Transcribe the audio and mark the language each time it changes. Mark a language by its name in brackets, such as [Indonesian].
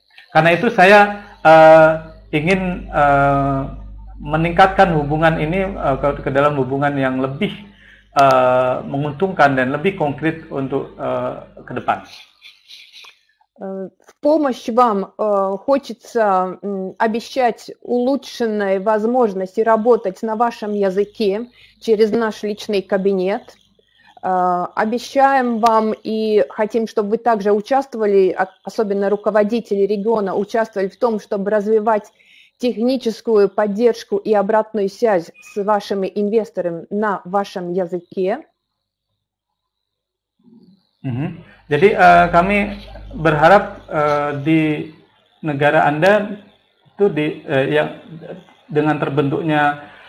[Indonesian] Karena itu saya ingin meningkatkan hubungan ini ke dalam hubungan yang lebih menguntungkan dan lebih konkret untuk ke depan. [Russian] В помощь вам хочется обещать улучшенные возможности работать на вашем языке через наш личный кабинет. Обещаем вам и хотим, чтобы вы также участвовали, особенно руководители региона, участвовали в том, чтобы развивать техническую поддержку и обратную связь с вашими инвесторами на вашем языке. [Indonesian] Jadi kami berharap di negara Anda itu di yang dengan terbentuknya